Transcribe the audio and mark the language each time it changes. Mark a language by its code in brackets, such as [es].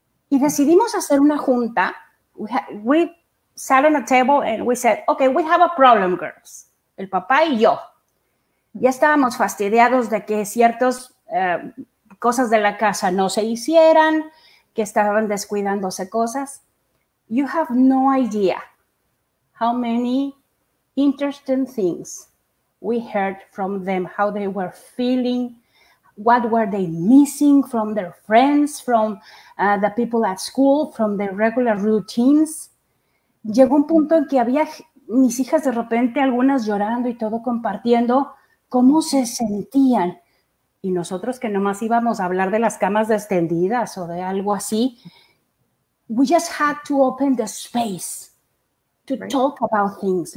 [es] Y decidimos hacer una junta. [en] We sat on a table and we said, okay, we have a problem, girls. [es] El papá y yo. Ya estábamos fastidiados de que ciertas cosas de la casa no se hicieran, que estaban descuidándose cosas. [en] You have no idea how many interesting things we heard from them, how they were feeling, what were they missing from their friends, from the people at school, from their regular routines. [es] Llegó un punto en que había mis hijas de repente, algunas llorando y todo compartiendo, ¿cómo se sentían? Y nosotros que nomás íbamos a hablar de las camas extendidas o de algo así, [en] we just had to open the space to talk about things.